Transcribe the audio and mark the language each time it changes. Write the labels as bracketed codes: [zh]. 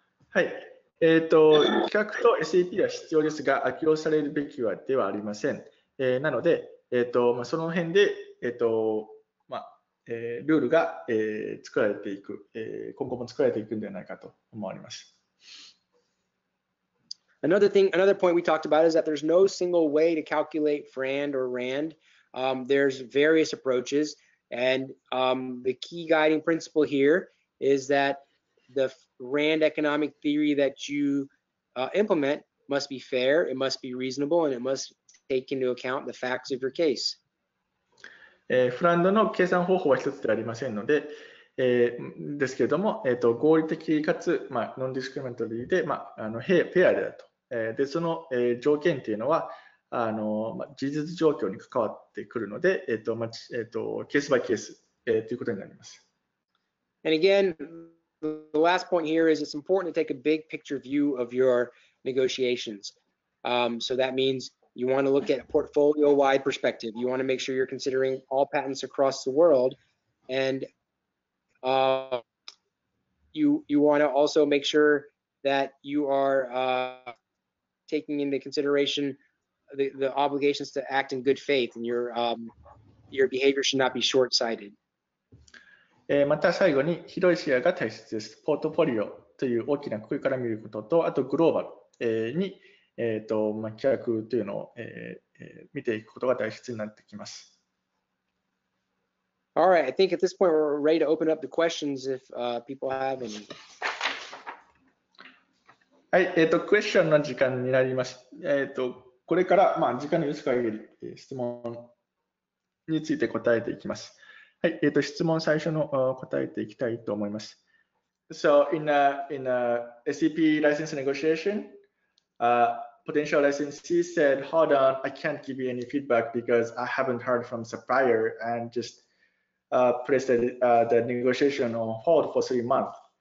[ja] はい、規格と SAP は必要ですが、悪用されるべきではありません。なので、その辺で、ルールが、作られていく、今後も作られていくのではないかと思われます。 [en] Another point we talked about is that there's no single way to calculate FRAND or RAND. There's various approaches. And the key guiding principle here is that the RAND economic theory that you implement must be fair, it must be reasonable, and it must take into account the facts of your case. [ja] フランドの計算方法は一つではありませんので、ですけれども、合理的かつ、ノンディスクリミナトリーで、フェアであると。で、その、条件というのは、事実状況に関わってくるので、ケースバイケース、ということになります。 [en] And again, the last point here is it's important to take a big picture view of your negotiations. So that means you want to look at a portfolio-wide perspective. You want to make sure you're considering all patents across the world. And you want to also make sure that you are taking into consideration the obligations to act in good faith and you're your behavior should not be short-sighted. [ja] また最後に広い視野が大切です。ポートフォリオという大きな国から見ることと、あとグローバルに企画というのを見ていくことが大切になってきます。 [en] All right, I think at this point we're ready to open up the questions if people have any. [ja] はい、クエスチョンの時間になります。これから、まあ、時間の許す限り質問について答えていきます。はい、質問最初の答えていきたいと思います。 [en] So in a SCP license negotiation, potential licensee said, hold on, I can't give you any feedback because I haven't heard from supplier and just placed the negotiation on hold for 3 months.